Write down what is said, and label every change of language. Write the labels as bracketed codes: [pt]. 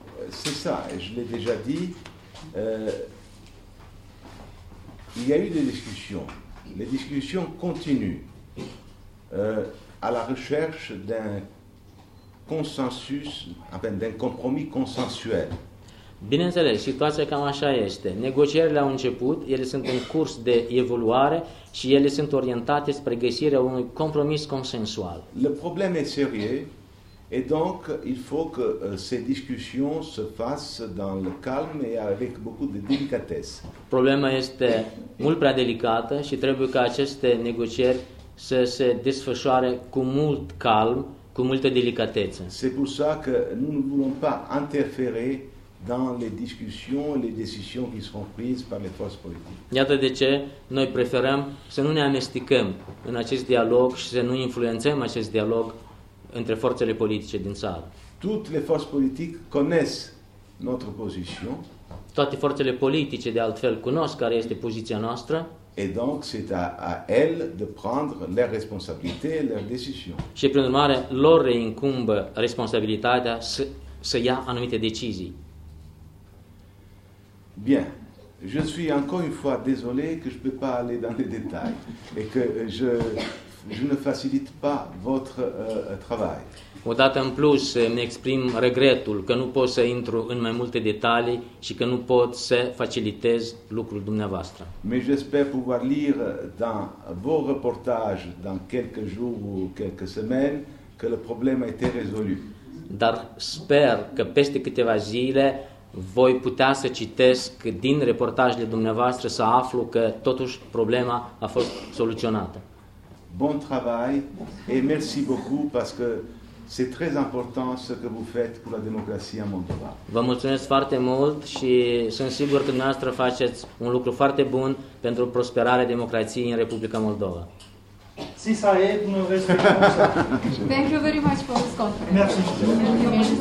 [fr] C'est ça, je l'ai déjà dit. Il y a eu des discussions. Les discussions continuent à la recherche d'un consensus, enfin d'un compromis consensuel. [ro] Bineînțeles, situația cam așa este. Negocierile au început, ele sunt în curs de evoluare și ele sunt orientate spre găsirea unui compromis consensual. [fr] Le problème est sérieux et donc il faut que ces discussions se fassent dans le calme et avec beaucoup de délicatesse. [ro] Problema este mult prea delicată și trebuie ca aceste negocieri să se desfășoare cu mult calm, cu multă delicatețe. [fr] C'est pour ça que nous ne voulons pas interférer dans les discussions et les décisions qui seront prises par les forces politiques. [ro] Iată de ce noi preferăm să nu ne amestecăm în acest dialog și să nu influențăm acest dialog între forțele politice din țară. [fr] Toutes les forces politiques connaissent notre position. [ro] Toate forțele politice de altfel cunosc care este poziția noastră. [fr] Et donc c'est à elles de prendre leurs responsabilités et leurs décisions. [ro] Și prin urmare lor reîncumbă responsabilitatea să ia anumite decizii. [fr] Bien, je suis encore une fois désolé que je ne peux pas aller dans les détails et que je ne facilite pas votre travail. [ro] O dată în plus, mi-exprim regretul că nu pot să intru în mai multe detalii și că nu pot să facilitez lucrul dumneavoastră. [fr] Mais j'espère pouvoir lire dans vos reportages dans quelques jours ou quelques semaines que le problème a été résolu. [ro] Dar sper că peste câteva zile voi putea să citesc din reportajele dumneavoastră să aflu că totuși problema a fost soluționată. [fr] Bon travail et merci beaucoup parce que c'est très important ce que vous faites pour la démocratie en Moldova. [ro] Vă mulțumesc foarte mult și sunt sigur că dumneavoastră faceți un lucru foarte bun pentru prosperarea democrației în Republica Moldova. [fr] Si ça aide, nous restons comme ça. [en] Thank you very much for this conference.